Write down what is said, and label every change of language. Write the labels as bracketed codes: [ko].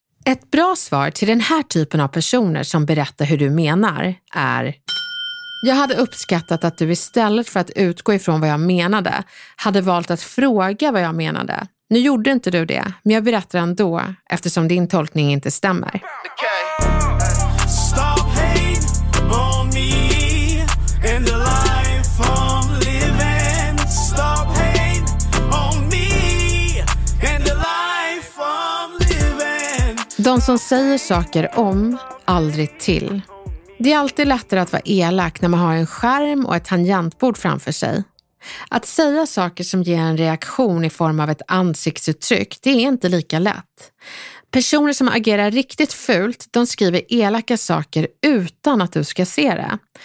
[sv] Ett bra svar till den här typen av personer som berättar hur du menar är: jag hade uppskattat att du istället för att utgå ifrån vad jag menade hade valt att fråga vad jag menade. Nu gjorde inte du det, men jag berättar ändå eftersom din tolkning inte stämmer. [en] Okay. Stop hate on me in the life I'm living. Stop hate on me in the life I'm living. [sv] De som säger saker om, aldrig till. Det är alltid lättare att vara elak när man har en skärm och ett tangentbord framför sig. Att säga saker som ger en reaktion i form av ett ansiktsuttryck, det är inte lika lätt. Personer som agerar riktigt fult, de skriver elaka saker utan att du ska se det.